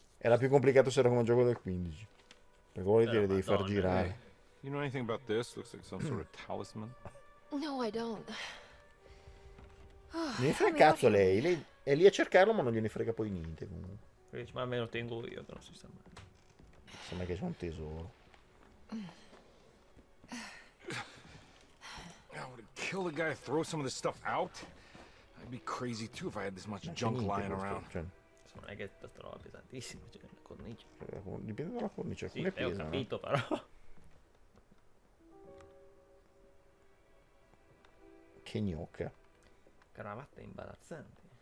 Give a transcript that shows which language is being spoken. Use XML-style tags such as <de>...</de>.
<it>Era più complicato se era come un gioco del 15. Perché vuol dire devi far girare.</it> <en>You know anything about this? Looks like some sort of talisman. No, I don't.</en> <it>Oh, ne frega cazzo lei. Lei è lì a cercarlo, ma non gliene frega poi niente comunque. Ma me lo tengo io, però si sta male. Sembra che c'è un tesoro.</it> <en>I would kill the guy, throw some of this stuff out. I'd be crazy too if I had this much junk lying around.</en> <it>Non è che la trova pesantissima, cioè la cornice. Dipende dalla cornice, sì, pesa, ho capito, no? Però. Che gnocca. Cravatta imbarazzante.</it>